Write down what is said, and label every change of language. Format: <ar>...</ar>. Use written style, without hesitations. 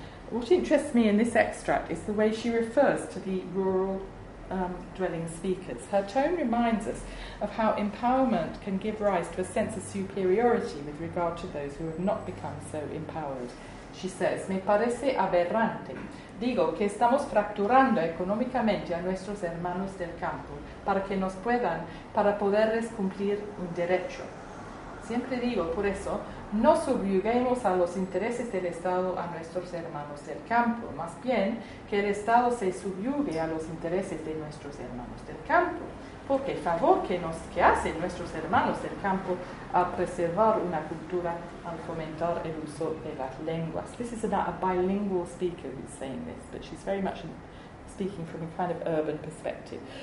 <en>What interests me in this extract is the way she refers to the rural dwelling speakers. Her tone reminds us of how empowerment can give rise to a sense of superiority with regard to those who have not become so empowered. She says,</en> <es>"Me parece aberrante. Digo que estamos fracturando económicamente a nuestros hermanos del campo para que nos puedan, para poderles cumplir un derecho. Siempre digo, por eso, no subyuguemos a los intereses del Estado a nuestros hermanos del campo, más bien que el Estado se subyugue a los intereses de nuestros hermanos del campo, porque el favor que hacen nuestros hermanos del campo a preservar una cultura, al fomentar el uso de las lenguas."</es> <en>This is about a bilingual speaker who's saying this, but she's very much speaking from a kind of urban perspective.</en>